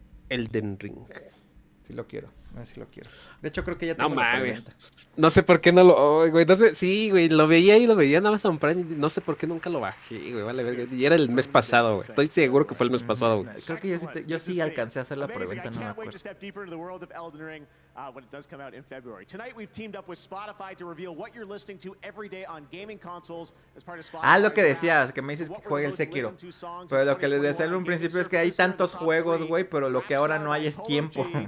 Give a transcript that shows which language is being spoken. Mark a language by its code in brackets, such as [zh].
[es] Elden Ring. Sí lo quiero. Así lo quiero. De hecho, creo que ya tengo la preventa. No sé por qué no lo... Oh, güey, no sé. Sí, güey, lo veía en Amazon Prime. No sé por qué nunca lo bajé, güey. Vale, verga. Y era el mes pasado, güey. Estoy seguro que fue el mes pasado, güey. Creo que yo sí alcancé a hacer la preventa, no me acuerdo. [en] Step deeper into the world of Elden Ring when it does come out in February. Tonight we've teamed up with Spotify to reveal what you're listening to every day on gaming consoles as part of Spotify. [es] Ah, lo que decías, que me dices que juegue el Sekiro. Pero lo que les decía en un principio es que hay tantos juegos, güey, pero lo que ahora no hay es tiempo.